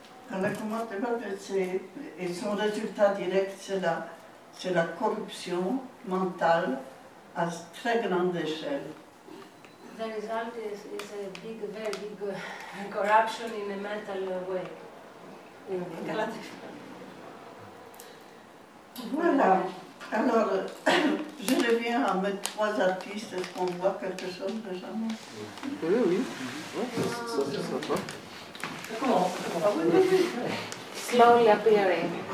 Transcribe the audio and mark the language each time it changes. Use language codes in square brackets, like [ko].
[fr] Dans le comportement, et son résultat direct, c'est la corruption mentale à très grande échelle. [en] The result is a big, very big corruption in a mental way. [fr] Voilà. Alors, je reviens à mes trois artistes. Est-ce qu'on voit quelque chose de jamais? Oui, oui. Ça, c'est sympa. [en] Slowly appearing.